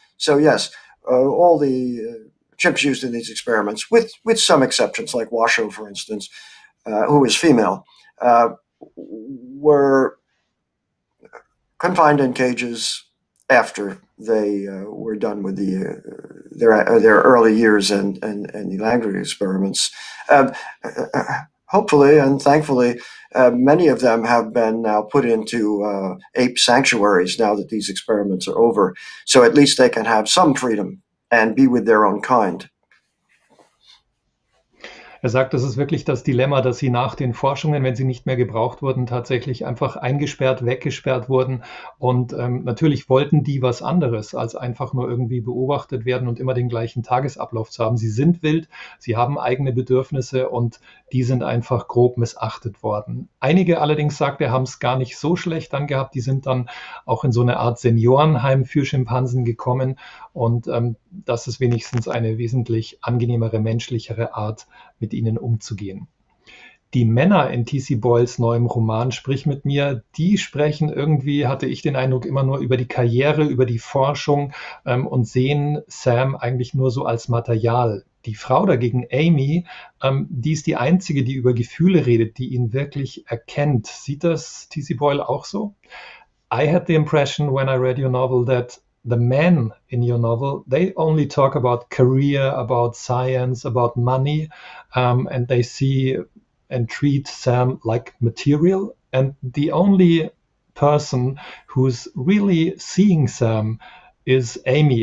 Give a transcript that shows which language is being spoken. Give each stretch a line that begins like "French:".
English: So yes, all the chimps used in these experiments, with some exceptions like Washoe, for instance, who is female, were confined in cages after they were done with their early years and the language experiments. Hopefully and thankfully, many of them have been now put into ape sanctuaries now that these experiments are over. So at least they can have some freedom and be with their own kind.
German: Er sagt, das ist wirklich das Dilemma, dass sie nach den Forschungen, wenn sie nicht mehr gebraucht wurden, tatsächlich einfach eingesperrt, weggesperrt wurden. Und natürlich wollten die was anderes, als einfach nur irgendwie beobachtet werden und immer den gleichen Tagesablauf zu haben. Sie sind wild, sie haben eigene Bedürfnisse und die sind einfach grob missachtet worden. Einige allerdings, sagt er, haben es gar nicht so schlecht dann gehabt. Die sind dann auch in so eine Art Seniorenheim für Schimpansen gekommen. Und das ist wenigstens eine wesentlich angenehmere, menschlichere Art, mit ihnen umzugehen. Die Männer in T.C. Boyles neuem Roman Sprich mit mir, die sprechen irgendwie, hatte ich den Eindruck, immer nur über die Karriere, über die Forschung und sehen Sam eigentlich nur so als Material. Die Frau dagegen, Amy, die ist die Einzige, die über Gefühle redet, die ihn wirklich erkennt. Sieht das T.C. Boyle auch so?
English: I had the impression when I read your novel that the men in your novel, they only talk about career, about science, about money, and they see and treat Sam like material. And the only person who's really seeing Sam is Amy.